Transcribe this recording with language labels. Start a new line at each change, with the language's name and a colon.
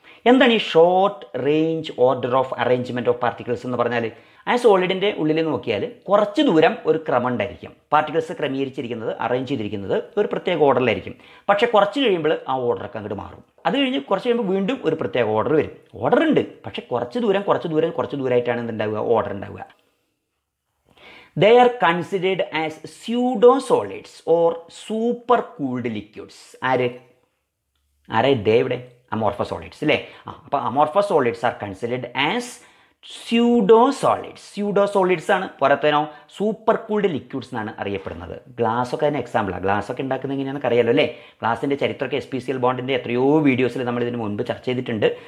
Malayalam: എന്താണ് ഈ
English: short range order of arrangement of particles
Malayalam: എന്ന് പറഞ്ഞാൽ, ആ സോളിഡിൻ്റെ ഉള്ളിൽ നോക്കിയാൽ കുറച്ച് ദൂരം ഒരു ക്രമം ഉണ്ടായിരിക്കും. പാർട്ടിക്കിൾസ് ക്രമീകരിച്ചിരിക്കുന്നത്, അറേഞ്ച് ചെയ്തിരിക്കുന്നത് ഒരു പ്രത്യേക ഓർഡറിലായിരിക്കും. പക്ഷെ കുറച്ച് കഴിയുമ്പോൾ ആ ഓർഡറൊക്കെ അങ്ങോട്ട് മാറും. അത് കഴിഞ്ഞ് കുറച്ച് കഴിയുമ്പോൾ വീണ്ടും ഒരു പ്രത്യേക ഓർഡർ വരും. ഓർഡറുണ്ട്, പക്ഷെ കുറച്ച് ദൂരം കുറച്ച് ദൂരം കുറച്ച് ദൂരമായിട്ടാണ് എന്തുണ്ടാവുക, ഓർഡർ ഉണ്ടാവുക.
English: They are considered as pseudo-solids or super-cooled liquids.
Malayalam: ആരെ? ദേവിടെ അമോർഫസ് സോളിഡ്സ് അല്ലേ. ആ അപ്പോൾ
English: Amorphous solids are considered as pseudo solids.
Malayalam: Pseudo solids ആണ് പുറത്തേനോ, സൂപ്പർ കൂൾഡ് ലിക്വിഡ്സ് എന്നാണ് അറിയപ്പെടുന്നത്. ഗ്ലാസ്സൊക്കെ തന്നെ എക്സാമ്പിളാണ്. ഗ്ലാസ്സൊക്കെ ഉണ്ടാക്കുന്ന എങ്ങനെയാണെന്ന് അറിയാലോ അല്ലേ. ഗ്ലാസിൻ്റെ ചരിത്രമൊക്കെ എസ് പി സി എൽ ബോണ്ടിൻ്റെ എത്രയോ വീഡിയോസിൽ നമ്മൾ ഇതിന് മുൻപ് ചർച്ച ചെയ്തിട്ടുണ്ട്.